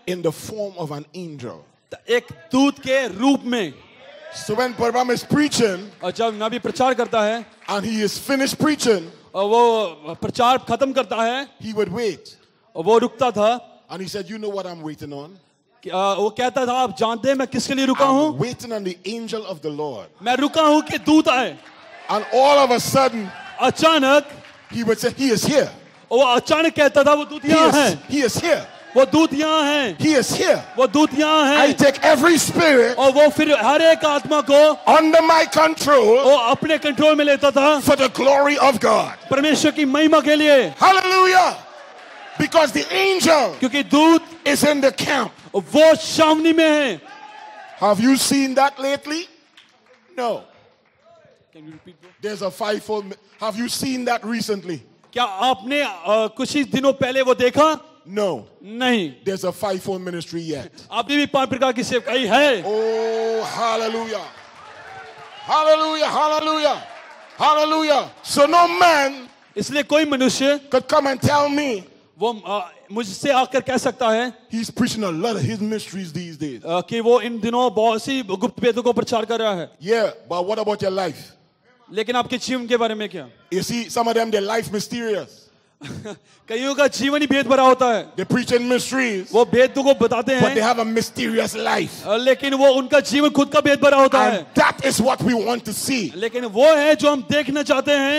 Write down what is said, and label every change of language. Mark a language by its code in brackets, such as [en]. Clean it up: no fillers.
[en] in the form of an angel [hi] एक दूत के रूप में. [en] So when Brother Branham is preaching [hi] और जब नबी प्रचार करता है [en] and he is finished preaching [hi] वो प्रचार खत्म करता है [en] he would wait [hi] वो रुकता था [en] and he said you know what I'm waiting on [hi] वो कहता था आप जानते हैं मैं किसके लिए रुका हूँ [en] waiting on the angel of the Lord [hi] मैं रुका हूँ कि दूत आए [en] and all of a sudden [hi] अचानक [en] he would say he is here [hi] वो अचानक कहता था वो दूत यहाँ है [en] he is here [hi] वो दूत यहाँ है [en] he is here [hi] वो दूत यहाँ है [en] I take every spirit [hi] और वो फिर हर एक आत्मा को [en] under my control [hi] वो अपने कंट्रोल में लेता था [en] for the glory of God [hi] परमेश्वर की महिमा के लिए [en] hallelujah because the angel [hi] क्योंकि दूत [en] is in the camp [hi] वो छावनी में है [en] have you seen that lately no can you repeat bro? There's a fivefold have you seen that recently [hi] क्या आपने कुछ ही दिनों पहले वो देखा [en] No. [hi] नहीं. [en] There's a fivefold ministry yet. [hi] अभी भी पांच प्रकार की सेवकाई है. [en] Oh, hallelujah. Hallelujah, hallelujah. Hallelujah. So no man [hi] इसलिए कोई मनुष्य [en] could come and tell me [hi] वो मुझसे आकर कह सकता है [en] He's preaching a lot of his mysteries these days. [hi] कि वो इन दिनों बहुत सी गुप्त भेदों को प्रचार कर रहा है. [en] Yeah, but what about your life? [hi] लेकिन आपके जीवन के बारे में क्या? [en] You see, some of them, their life mysterious. [hi] कईयों का जीवन ही भेद भरा होता है [en] they preach in mysteries, [hi] वो भेद को बताते हैं [en] but they have a mysterious life. [hi] लेकिन वो उनका जीवन खुद का भेद भरा होता [en] And [hi] है [en] that is what we want to see. [hi] लेकिन वो है जो हम देखना चाहते हैं